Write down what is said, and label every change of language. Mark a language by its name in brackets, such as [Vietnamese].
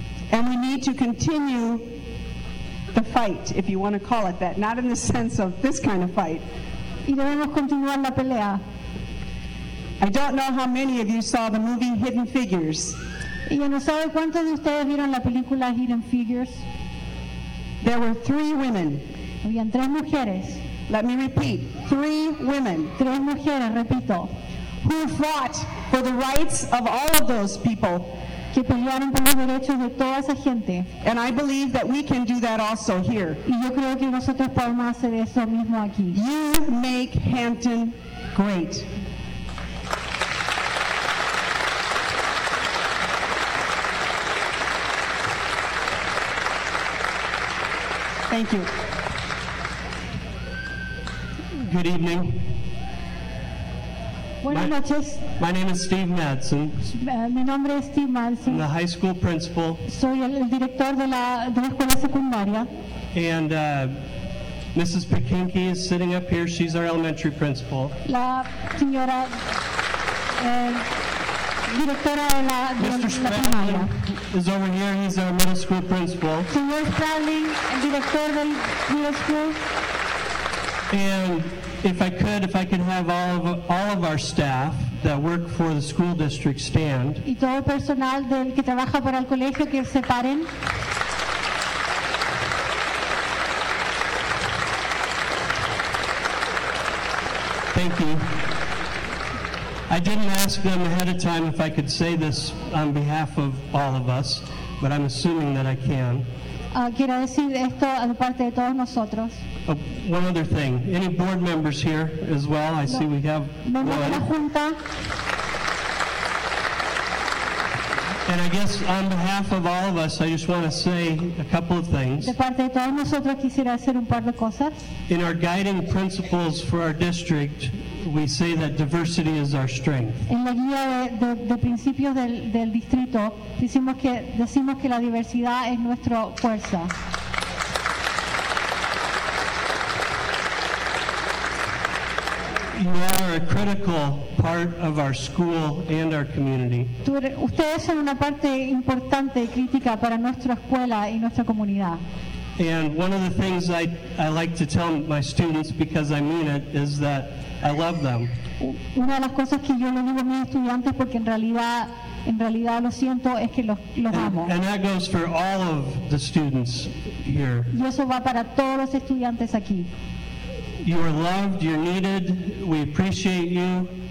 [English] And we need to continue the fight, if you want to call it that, not in the sense of this kind of fight. [Spanish] Y debemos continuar la pelea. [English] I don't know how many of you saw the movie Hidden Figures. [Spanish] Y yo no sé cuántos de ustedes vieron la película Hidden Figures. [English] There were three women. [Spanish] Habían tres mujeres. [English] Let me repeat, three women. [Spanish] Tres mujeres, repito. [English] Who fought for the rights of all of those people. [Spanish] Que pelearon por los derechos de toda esa gente. [English] And I believe that we can do that also here. [Spanish] Y yo creo que nosotros podemos hacer eso mismo aquí. [English] You make Hampton great. Thank you. Good evening. [Spanish] Buenas noches. [English] My name is Steve Madsen. [Spanish] Mi nombre es Steve Madsen. [English] I'm the high school principal. [Spanish] Soy el director de la escuela secundaria. [English] And Mrs. Pekinke is sitting up here. She's our elementary principal. [Spanish] La señora directora de la primaria. [English] Mr. Spradling is over here. He's our middle school principal. [Spanish] Señor Spradling, el director del middle school. [English] And if I could have all of our staff that work for the school district stand. [Spanish] Y todo el personal del que trabaja para el colegio que se paren. [English] Thank you. I didn't ask them ahead of time if I could say this on behalf of all of us, but I'm assuming that I can. [Spanish] quiero decir esto de parte de todos nosotros. [English] Oh, one other thing. Any board members here as well? I see we have one. And I guess on behalf of all of us, I just want to say a couple of things. [Spanish] De parte de todos nosotros quisiera hacer un par de cosas. [English] In our guiding principles for our district, we say that diversity is our strength. [Spanish] En la guía de principios del distrito, decimos que la diversidad es nuestra fuerza. [English] You are a critical part of our school and our community. [Spanish] Ustedes son una parte importante y crítica para nuestra escuela y nuestra comunidad. [English] And one of the things I like to tell my students, because I mean it, is that I love them. [Spanish] Una de las cosas que yo le digo a mis estudiantes, porque en realidad lo siento, es que los amo. [English] And that goes for all of the students here. [Spanish] Y eso va para todos los estudiantes aquí. [English] You are loved, you're needed, we appreciate you.